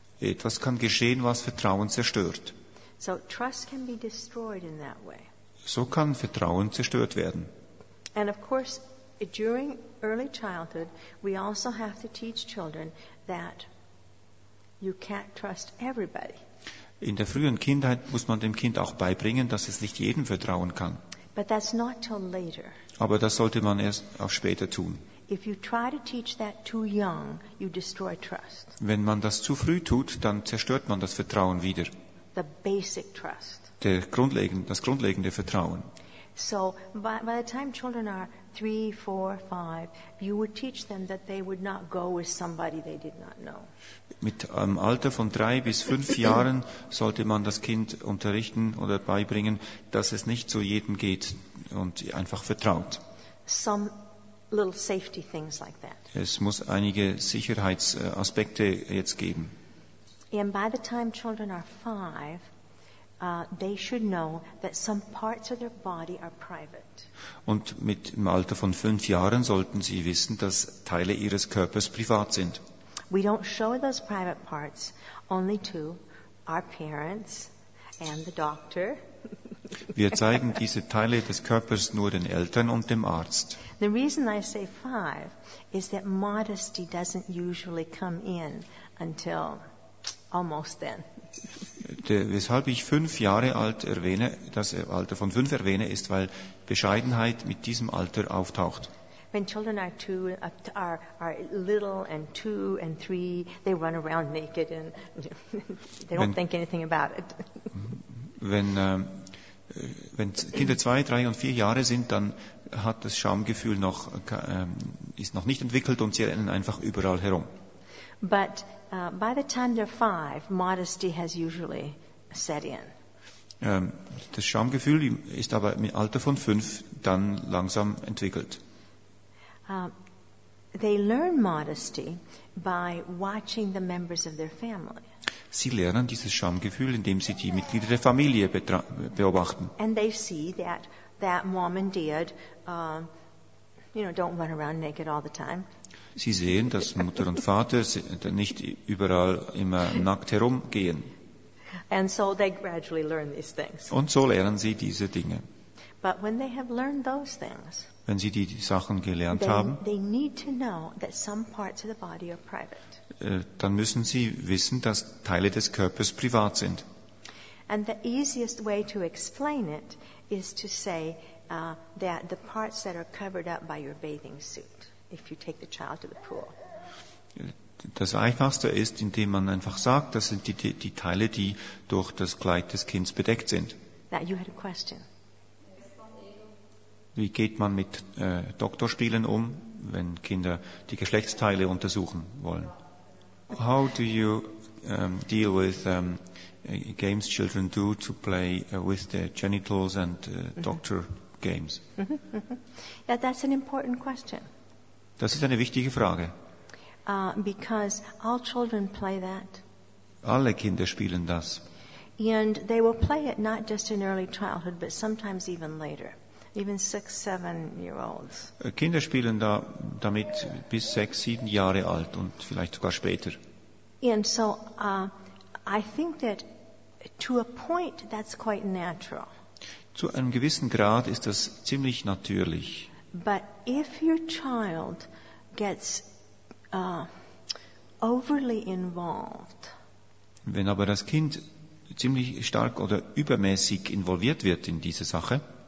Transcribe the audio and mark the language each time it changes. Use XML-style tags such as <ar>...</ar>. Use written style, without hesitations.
<de>Etwas kann geschehen, was Vertrauen zerstört.</de> <en>So trust can be destroyed in that way.</en> <de>So kann Vertrauen zerstört werden.</de> <en>And of course, during early childhood, we also have to teach children that you can't trust everybody.</en> <de>In der frühen Kindheit muss man dem Kind auch beibringen, dass es nicht jedem vertrauen kann.</de> <en>But that's not till later.</en> <de>Aber das sollte man erst auch später tun.</de> <en>If you try to teach that too young, you destroy trust.</en> <de>Wenn man das zu früh tut, dann zerstört man das Vertrauen wieder.</de> <en>The basic trust.</en> <de>Das grundlegende Vertrauen.</de> <en>So by the time children are 3, 4, 5, you would teach them that they would not go with somebody they did not know.</en> <de>Mit einem Alter von 3 bis 5 Jahren sollte man das Kind unterrichten oder beibringen, dass es nicht zu jedem geht und einfach vertraut.</de> <en>Some little safety things like that.</en> <de>Es muss einige Sicherheitsaspekte jetzt geben.</de> <en>And by the time children are 5, they should know that some parts of their body are private.</en> <de>Und mit dem Alter von 5 Jahren sollten sie wissen, dass Teile ihres Körpers privat sind.</de> <en>We don't show those private parts only to our parents and the doctor.</en> <de>Wir zeigen diese Teile des Körpers nur den Eltern und dem Arzt.</de> <en>The reason I say 5 is that modesty doesn't usually come in until almost then.</en> <de>Weshalb ich 5 Jahre alt erwähne, das Alter von 5 erwähne, ist, weil Bescheidenheit mit diesem Alter auftaucht.</de> <en>When children are 2, are little and 2 and 3, they run around naked and they don't think anything about it.</en> <de>Wenn Kinder 2, 3 und 4 Jahre sind, dann hat das Schamgefühl noch nicht entwickelt und sie rennen einfach überall herum.</de> <en>But by the time they're 5, modesty has usually set in.</en> <de>Das Schamgefühl ist aber im Alter von 5 dann langsam entwickelt.</de> <en>They learn modesty by watching the members of their family.</en> <de>Sie lernen dieses Schamgefühl, indem sie die Mitglieder der Familie beobachten.</de> <en>And they see that mom and dad, don't run around naked all the time.</en> <de>Sie sehen, dass Mutter und Vater nicht überall immer nackt herumgehen.</de> <en>And so they gradually learn these things.</en> <de>Und so lernen sie diese Dinge.</de> <en>But when they have learned those things,</en> <de>wenn sie die Sachen gelernt haben,</de> <en>they need to know that some parts of the body are private.</en> <de>Dann müssen sie wissen, dass Teile des Körpers privat sind.</de> <en>And the easiest way to explain it is to say that the parts that are covered up by your bathing suit, if you take the child to the pool.</en> <de>Das Einfachste ist, indem man einfach sagt, das sind die Teile, die durch das Kleid des Kindes bedeckt sind.</de> <en>Now you had a question.</en> <de>Wie geht man mit Doktorspielen um, wenn Kinder die Geschlechtsteile untersuchen wollen?</de> <en>How do you deal with games children do to play with their genitals and doctor games. Yeah, that's an important question.</en> <de>Das ist eine wichtige Frage.</de> <en>Because all children play that.</en> <de>Alle Kinder spielen das.</de> <en>And they will play it not just in early childhood, but sometimes even later. Even 6-7-year-olds.</en> <de>Kinder spielen da damit bis 6-7 Jahre alt und vielleicht sogar später.</de> <en>And so I think that to a point that's quite natural.</en> <de>Zu einem gewissen Grad ist das ziemlich natürlich.</de> <en>But if your child gets overly involved.</en> <de>Wenn aber das Kind ziemlich stark oder übermäßig involviert wird in diese Sache,</de>